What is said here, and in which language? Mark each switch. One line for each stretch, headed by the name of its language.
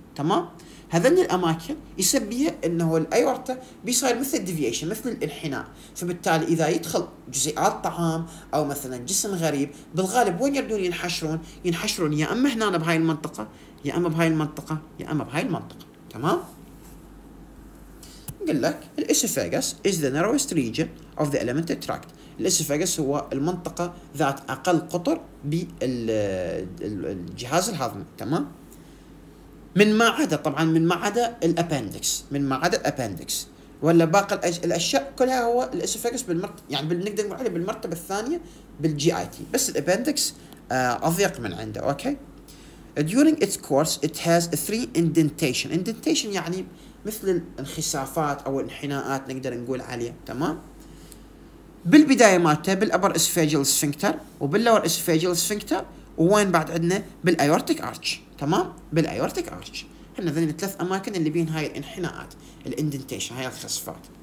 Arabic: تمام، هذين الاماكن يسبيها انه الايورتا بيصير مثل الديفيشن، مثل الانحناء، فبالتالي اذا يدخل جزيئات طعام او مثلا جسم غريب بالغالب وين يردون ينحشرون يا اما هنا بهاي المنطقه يا اما بهاي المنطقه يا اما بهاي المنطقه. تمام، نقول لك
English: الاسفاجس is the narrowest region of the alimentary tract.
Arabic: الاسفاجس هو المنطقة ذات أقل قطر بالجهاز الهضمي. تمام، من ما عدا طبعا من ما عدا الأبندكس، من ما عدا الأبندكس ولا باقي الأشياء كلها هو الاسفاجس يعني نقدر نقول عليه بالمرتبة الثانية بالجي آي تي، بس الأبندكس أضيق من عنده.
English: Okay, during its course it has three indentation.
Arabic: indentation يعني مثل الانخسافات او الانحناءات نقدر نقول عليها. تمام، بالبدايه مالته بالابر اسفاجيال سفنكتر وباللور اسفاجيال سفنكتر، وين بعد عندنا بالايورتيك ارتش. تمام، بالايورتيك ارتش احنا ذني الثلاث اماكن اللي بين هاي الانحناءات الاندنتيشن هاي الخسفات.